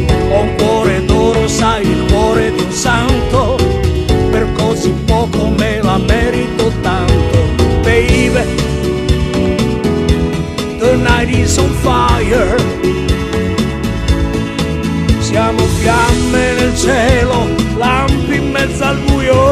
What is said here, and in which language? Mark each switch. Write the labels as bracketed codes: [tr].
[it] Ho un cuore d'oro, sai, il cuore di un santo. Così poco me la merito tanto. [en] Baby, the night is on fire. [it] Siamo fiamme nel cielo, lampi in mezzo al buio.